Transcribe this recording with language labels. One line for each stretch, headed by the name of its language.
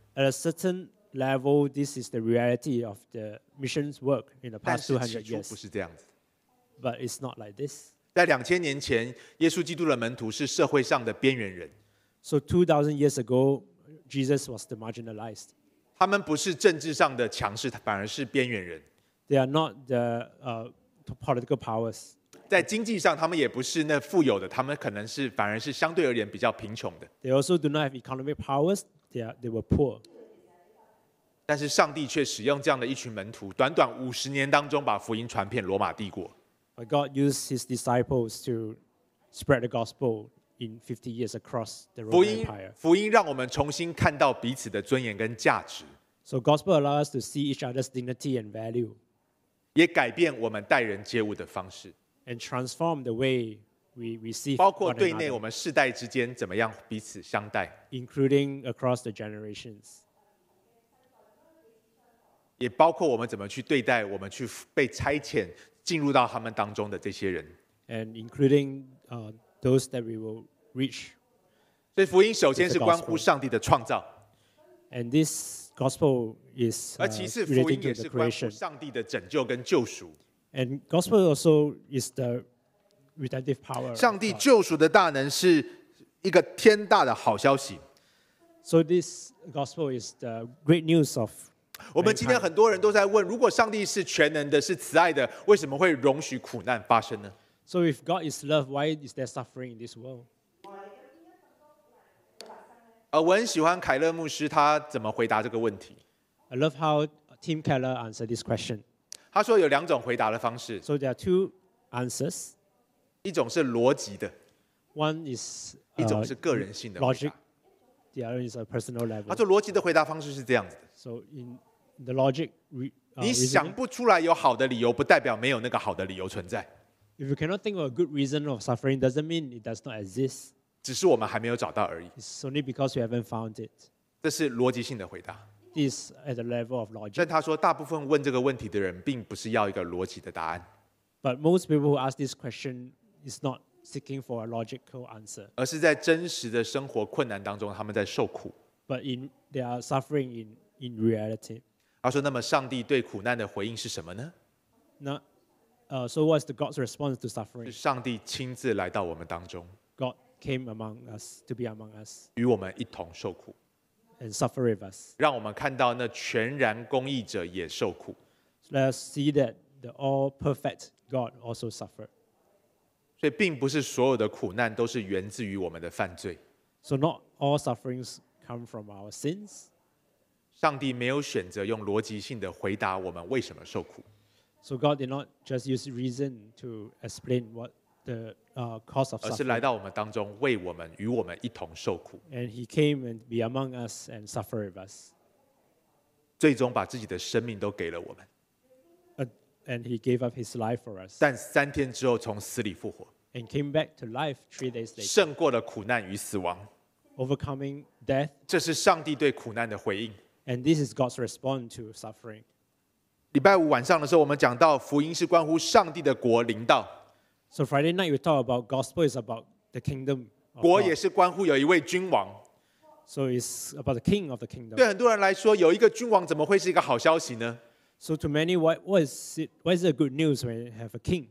English: At a certain level, this is the reality of the mission's work in the past 200 years.
Chinese: 但是不是这样子。
English: But it's not like this.
Chinese: 在两千年前，耶稣基督的门徒是社会上的边缘人。
English: So 2,000 years ago, Jesus was the marginalized.
Chinese: 他们不是政治上的强势，反而是边缘人。
English: They are not the political powers.
Chinese: 在经济上，他们也不是那富有的，他们可能是反而是相对而言比较贫穷的。
English: They also do not have economic powers. They were poor.
Chinese: 但是上帝却使用这样的一群门徒，短短五十年当中把福音传遍罗马帝国。
English: But God used His disciples to spread the gospel in 50 years across the Roman Empire.
Chinese: 福音让我们重新看到彼此的尊严跟价值。
English: So gospel allows us to see each other's dignity and value.
Chinese: 也改变我们待人接物的方式。
English: And transform the way we receive.
Chinese: 包括对内我们世代之间怎么样彼此相待。
English: Including across the generations.
Chinese: 也包括我们怎么去对待我们去被差遣进入到他们当中的这些人。
English: And including those that we will reach.
Chinese: 所以福音首先是关乎上帝的创造。
English: And this Gospel is relating to the creation.
Chinese: 上帝的拯救跟救赎。
English: And gospel also is the redemptive power.
Chinese: 上帝救赎的大能是一个天大的好消息。
English: So this gospel is the great news of.
Chinese: 我们今天很多人都在问，如果上帝是全能的，是慈爱的，为什么会容许苦难发生呢？
English: So if God is love, why is there suffering in this world?
Chinese: 我很喜欢凯勒牧师他怎么回答这个问题。
English: I love how Tim Keller answered this question.
Chinese: 他说有两种回答的方式。
English: So there are two answers.
Chinese: 一种是逻辑的。
English: One is
Chinese: 一种是个人性的回答。
English: Logic. The other is a personal level.
Chinese: 他说逻辑的回答方式是这样子的。
English: So in the logic,
Chinese: 你想不出来有好的理由，不代表没有那个好的理由存在。
English: If you cannot think of a good reason of suffering, doesn't mean it does not exist.
Chinese: 只是我们还没有找到而已。
English: It's only because we haven't found it.
Chinese: 这是逻辑性的回答。
English: It's at the level of logic.
Chinese: 但他说，大部分问这个问题的人，并不是要一个逻辑的答案。
English: But most people who ask this question is not seeking for a logical answer.
Chinese: 而是在真实的生活困难当中，他们在受苦。
English: But in they are suffering in reality.
Chinese: 他说，那么上帝对苦难的回应是什么呢？
English: 那so what's the God's response to suffering?
Chinese: 是上帝亲自来到我们当中。
English: God. Came among us to be among us,
Chinese: 与我们一同受苦
English: and suffer with us.
Chinese: 让我们看到那全然公义者也受苦
English: let us see that the all perfect God also suffered.
Chinese: 所以并不是所有的苦难都是源自于我们的犯罪。
English: So not all sufferings come from our sins.
Chinese: 上帝没有选择用逻辑性的回答我们为什么受苦。
English: So God did not just use reason to explain what the cause of suffering.
Chinese: 而是来到我们当中为我们与我们一同受苦。
English: And he came and be among us and suffer with us.
Chinese: 最终把自己的生命都给了我们。
English: And he gave up his life for us.
Chinese: 但三天之后从死里复活。
English: And came back to life 3 days later.
Chinese: 胜过了苦难与死亡。
English: Overcoming death.
Chinese: 这是上帝对苦难的回应。
English: And this is God's response to suffering.
Chinese: 礼拜五晚上的时候我们讲到福音是关乎上帝的国临到。
English: So Friday night we talk about gospel is about the kingdom of God.
Chinese: 国也是关乎有一位君王。
English: So it's about the king of the kingdom.
Chinese: 对很多人来说有一个君王怎么会是一个好消息呢？
English: So to many, what is it good news when you have a king?